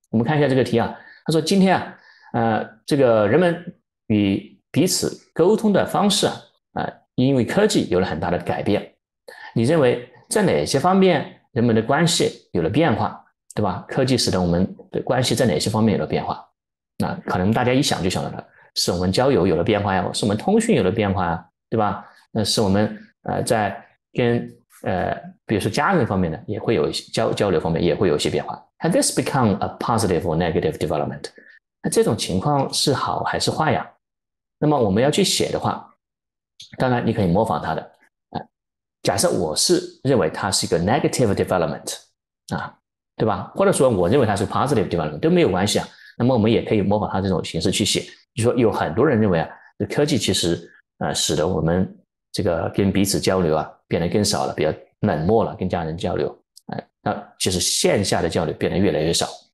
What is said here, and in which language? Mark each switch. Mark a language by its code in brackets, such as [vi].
[zh] 我们看一下这个题啊，他说今天啊，这个人们与彼此沟通的方式因为科技有了很大的改变，你认为在哪些方面人们的关系有了变化，对吧？科技使得我们的关系在哪些方面有了变化？那可能大家一想就想到了，是我们交友有了变化呀，是我们通讯有了变化呀，对吧？那是我们在跟比如说家人方面呢，也会有一些交流方面也会有一些变化。 [en] Has this become a positive or negative development？ [zh] 那这种情况是好还是坏呀？那么我们要去写的话，当然你可以模仿他的。假设我是认为它是一个 negative development，对吧？或者说我认为它是 positive development 都没有关系啊。那么我们也可以模仿它这种形式去写。就说有很多人认为啊，这科技其实使得我们这个跟彼此交流啊变得更少了，比较冷漠了，跟家人交流，那其实线下的交流变得越来越少。